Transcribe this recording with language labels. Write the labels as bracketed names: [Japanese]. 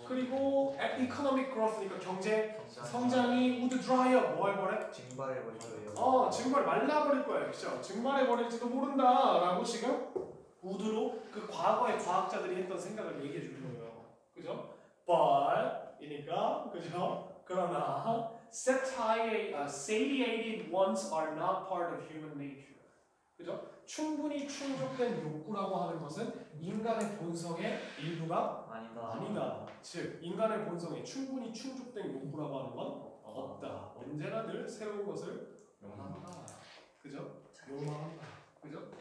[Korean] 그리고 [English] economic growth [Korean] 니까 경제 성장이 [English] would dry up [Korean] 뭐 해버려? 증발해버릴 거예요. 증발 말라버릴 거예요. 그렇죠? 증발해버릴지도 모른다 라고 지금 would로 그 과거의 과학자들이 했던 생각을 얘기해 주는 거예요. 그죠? but 이니까 그죠? 그러나 [English] satiated wants are not part of human nature. [Korean] 그죠? 충분히 충족된 욕구라고 하는 것은 인간의 본성의 일부가 아니다. 즉 인간의 본성에 충분히 충족된 욕구라고 하는 건 없다. 언제나 늘 새로운 것을 욕망한다. 그죠? 욕망한다. 그죠?